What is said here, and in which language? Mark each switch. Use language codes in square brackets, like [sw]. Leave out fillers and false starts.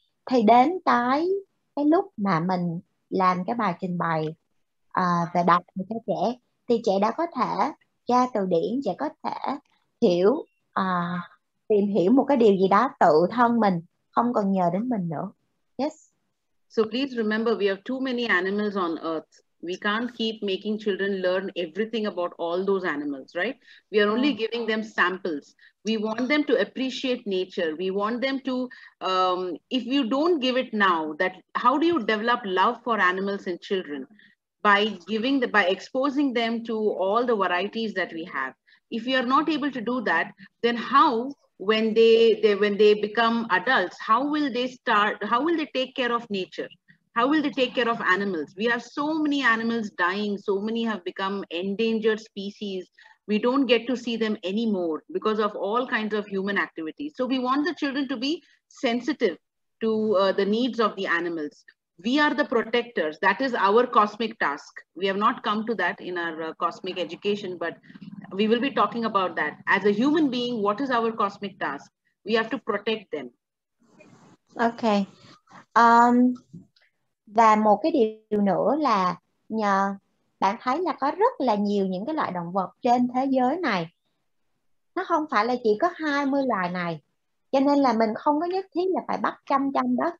[vi] Thì đến cái lúc mà mình làm cái bài trình bày về đọc cho trẻ thì trẻ đã có thể tra từ điển, trẻ có thể hiểu, tìm hiểu một cái điều gì đó tự thân mình, không còn nhờ đến mình nữa. [en] Yes. So please remember we have too many animals on earth. We can't keep making children learn everything about all those animals, right? We are only giving them samples. We want them to appreciate nature. We want them to, if you don't give it now, that how do you develop love for animals in children? By giving the, by exposing them to all the varieties that we have. If you are not able to do that, then how, when they become adults, how will they start, how will they take care of nature? How will they take care of animals? We have so many animals dying, so many have become endangered species. We don't get to see them anymore because of all kinds of human activities. So we want the children to be sensitive to the needs of the animals. We are the protectors. That is our cosmic task. We have not come to that in our cosmic education, but we will be talking about that. As a human being, what is our cosmic task? We have to protect them. Okay. [vi] Và một cái điều nữa là nhờ bạn thấy là có rất là nhiều những cái loại động vật trên thế giới này. Nó không phải là chỉ có 20 loài này. Cho nên là mình không có nhất thiết là phải bắt chăm chăm đó.